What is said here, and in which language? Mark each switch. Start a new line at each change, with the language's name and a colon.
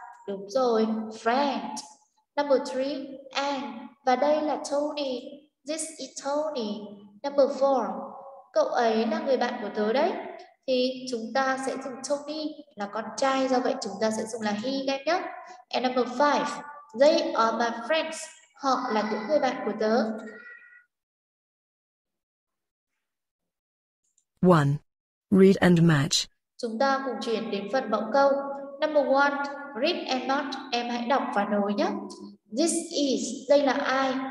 Vietnamese: Đúng rồi,
English: friend. Number 3, and.
Vietnamese: Và đây là Tony.
English: This is Tony.
Vietnamese: Number 4, cậu ấy là người bạn của tớ đấy. Thì chúng ta sẽ dùng Tony là con trai, do vậy chúng ta sẽ dùng là he nghe nhé.
English: And number 5, they are my friends.
Vietnamese: Họ là những người bạn của tớ.
English: 1. Read and match.
Vietnamese: Chúng ta cùng chuyển đến phần mẫu câu.
English: Number 1, read and match.
Vietnamese: Em hãy đọc và nối nhé. This is, đây là ai?